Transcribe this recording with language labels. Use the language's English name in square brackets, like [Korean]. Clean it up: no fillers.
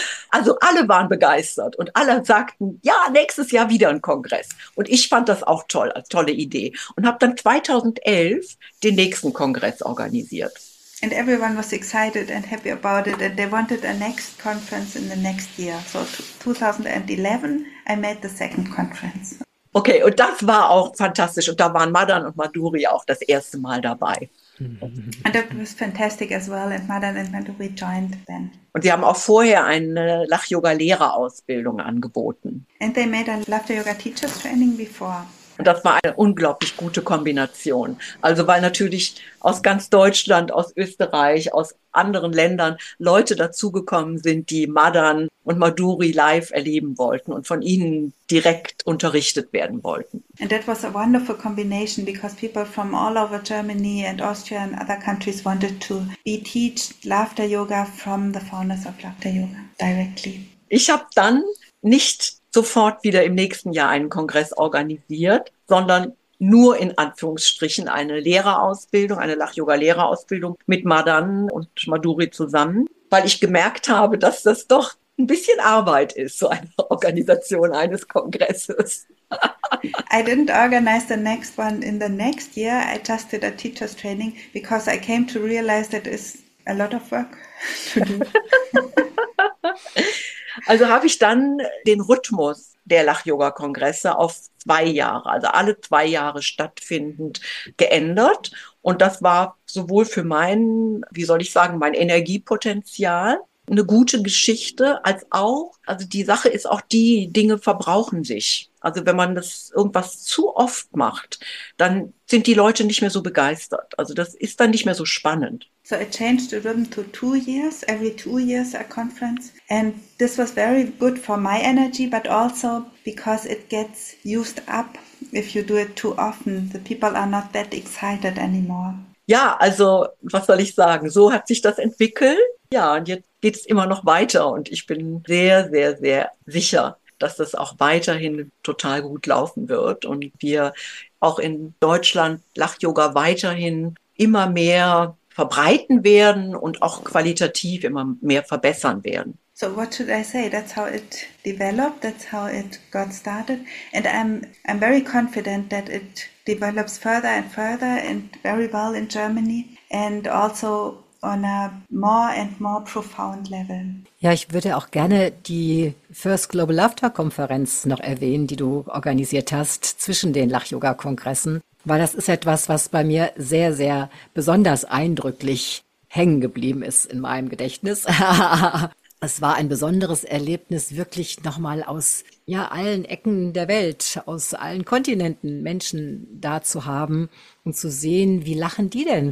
[German] Also alle waren begeistert und alle sagten, ja, nächstes Jahr wieder ein Kongress. Und ich fand das auch toll, als tolle Idee. Und habe dann 2011 den nächsten Kongress organisiert. [English] And everyone was excited and happy about it. And they wanted a next conference in the next year. So 2011, I made the second conference. [German] Okay, und das war auch fantastisch. Und da waren Madan und Madhuri auch das erste Mal dabei. [English] And that was fantastic as well. And Madan and Madhuri joined then. [German] Und sie haben auch vorher eine Lach-Yoga-Lehrerausbildung angeboten. [English] And they made a Lach-Yoga-Teachers training before. [German] Und das war eine unglaublich gute Kombination. Also weil natürlich aus ganz Deutschland, aus Österreich, aus anderen Ländern Leute dazugekommen sind, die Madan und Madhuri live erleben wollten und von ihnen direkt unterrichtet werden wollten. [English] And that was a wonderful combination because people from all over Germany and Austria and other countries wanted to be taught Laughter Yoga from the founders of Laughter Yoga directly. [German] Ich habe dann nicht sofort wieder im nächsten Jahr einen Kongress organisiert, sondern nur in Anführungsstrichen eine Lehrerausbildung, eine Lach-Yoga-Lehrerausbildung mit Madan und Madhuri zusammen, weil ich gemerkt habe, dass das doch ein bisschen Arbeit ist, so eine Organisation eines Kongresses. [English] I didn't organize the next one in the next year. I just did a teacher's training because I came to realize that is a lot of work to do. [German] Also habe ich dann den Rhythmus der Lach-Yoga-Kongresse auf 2 Jahre, also alle 2 Jahre stattfindend, geändert. Und das war sowohl für mein, wie soll ich sagen, mein Energiepotenzial eine gute Geschichte, als auch, also die Sache ist auch, die Dinge verbrauchen sich. Also wenn man das irgendwas zu oft macht, dann sind die Leute nicht mehr so begeistert. Also das ist dann nicht mehr so spannend. [English] So I changed the rhythm to 2 years, every 2 years a conference. And this was very good for my energy, but also because it gets used up if you do it too often. The people are not that excited anymore. [German] Ja, also was soll ich sagen? So hat sich das entwickelt. Ja, und jetzt geht es immer noch weiter. Und ich bin sehr, sehr, sehr sicher, dass das auch weiterhin total gut laufen wird. Und wir auch in Deutschland Lach-Yoga weiterhin immer mehr verbreiten werden und auch qualitativ immer mehr verbessern werden. [English] So what should I say? That's how it developed. That's how it got started. And I'm very confident that it develops further and further and very well in Germany and also on a more and more profound level. [German] Ja, ich würde auch gerne die First Global Laughter Konferenz noch erwähnen, die du organisiert hast zwischen den Lach-Yoga-Kongressen, weil das ist etwas, was bei mir sehr, sehr besonders eindrücklich hängen geblieben ist in meinem Gedächtnis. Es war ein besonderes Erlebnis, wirklich nochmal aus ja allen Ecken der Welt, aus allen Kontinenten Menschen da zu haben und zu sehen, wie lachen die denn?